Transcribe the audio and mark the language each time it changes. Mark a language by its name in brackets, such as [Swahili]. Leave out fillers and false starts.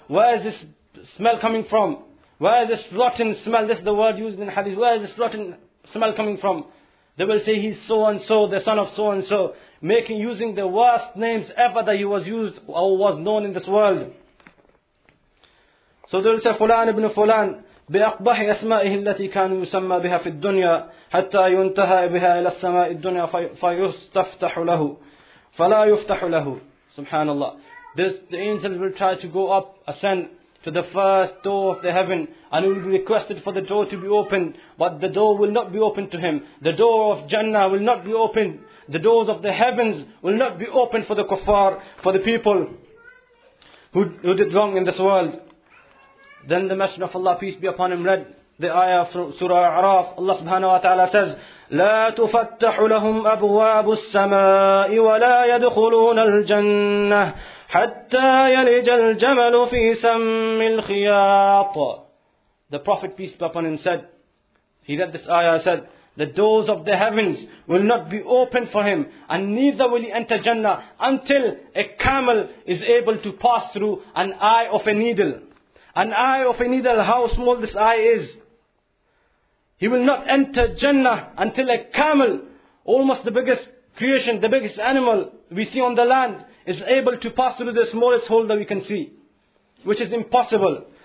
[English] Where is this smell coming from? Where is this rotten smell?" This is the word used in hadith. "Where is this rotten smell coming from?" They will say, "He's so and so, the son of so and so," using the worst names ever that he was used or was known in this world. So they will say, "Fulan ibn Fulan, [Arabic] بأقبح أسمائه التي كان يسمى بها في الدنيا حتى ينتهى بها إلى السماء الدنيا فيستفتح له فلا يفتح له." سبحان الله. [English] The angels will try to go up, ascend to the first door of the heaven, and he will be requested for the door to be opened, but the door will not be opened to him. The door of Jannah will not be opened. The doors of the heavens will not be opened for the kuffar, for the people who did wrong in this world. Then the Messenger of Allah, peace be upon him, read the ayah of Surah Al-A'raf. Allah subhanahu wa ta'ala says, [Arabic] لَا تُفَتَّحُ لَهُمْ أَبْوَابُ السَّمَاءِ وَلَا يَدْخُلُونَ الْجَنَّةِ حَتَّى يَلِجَ الْجَمَلُ فِي سَمِّ الْخِيَاطِ. [English] The Prophet, peace be upon him, said, he read this ayah, said, the doors of the heavens will not be opened for him, and neither will he enter Jannah until a camel is able to pass through an eye of a needle. An eye of a needle, how small this eye is. He will not enter Jannah until a camel, almost the biggest creation, the biggest animal we see on the land, is able to pass through the smallest hole that we can see, which is impossible.